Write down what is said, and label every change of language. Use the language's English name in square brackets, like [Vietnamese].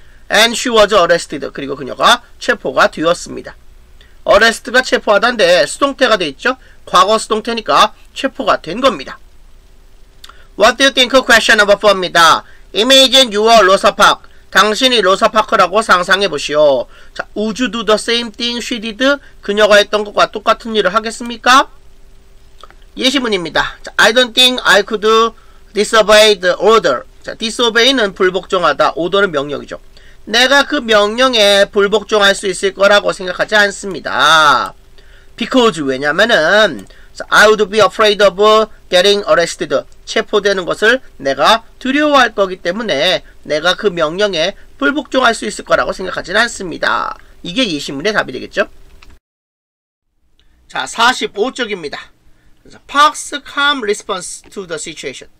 [English] And she was arrested, [Korean] 그리고 그녀가 체포가 되었습니다. Arrest가 체포하다인데 수동태가 되어있죠. 과거 수동태니까 체포가 된 겁니다. [English] What do you think? Question number 4입니다. Imagine you are Rosa Parks. [Korean] 당신이 로사파크라고 상상해보시오. [English] 자, would you do the same thing she did? [Korean] 그녀가 했던 것과 똑같은 일을 하겠습니까? 예시문입니다. [English] 자, I don't think I could disobey the order. [Korean] 자, disobey는 불복종하다. order는 명령이죠. 내가 그 명령에 불복종할 수 있을 거라고 생각하지 않습니다. [English] Because, 왜냐면은 I would be afraid of getting arrested. [Korean] 체포되는 것을 내가 두려워할 거기 때문에 내가 그 명령에 불복종할 수 있을 거라고 생각하진 않습니다. 이게 이 신문의 답이 되겠죠? [English] 자, [Korean] 45쪽입니다. [English] Park's calm response to the situation.